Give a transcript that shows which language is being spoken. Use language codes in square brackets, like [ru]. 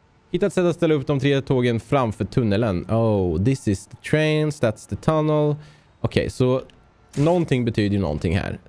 [sv] Hitta ett sätt att ställa upp de tre tågen framför tunneln. [en] Oh, this is the trains, that's the tunnel. [sv] Okay, så någonting betyder ju någonting här.